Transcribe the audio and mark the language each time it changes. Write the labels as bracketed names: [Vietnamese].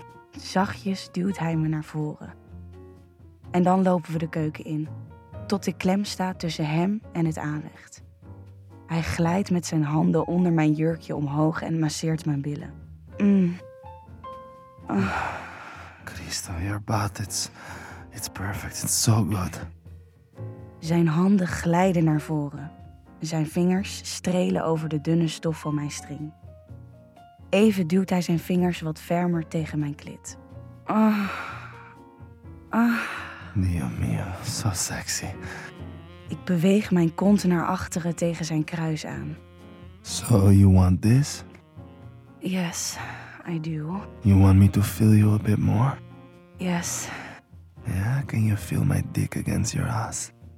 [Dutch] Zachtjes duwt hij me naar voren. En dan lopen we de keuken in. Tot ik klem sta tussen hem en het aanrecht. Hij glijdt met zijn handen onder mijn jurkje omhoog en masseert mijn billen. [English] Christo, your butt, it's perfect, it's so good. [Dutch] Zijn handen glijden naar voren. Zijn vingers strelen over de dunne stof van mijn string. Even duwt hij zijn vingers wat fermer tegen mijn klit. [Italian] Mio mio, [English] so sexy. [Dutch] Ik beweeg mijn kont naar achteren tegen zijn kruis aan. [English] So you want this? Yes, I do. You want me to feel you a bit more? Yes. Yeah, can you feel my dick against your ass?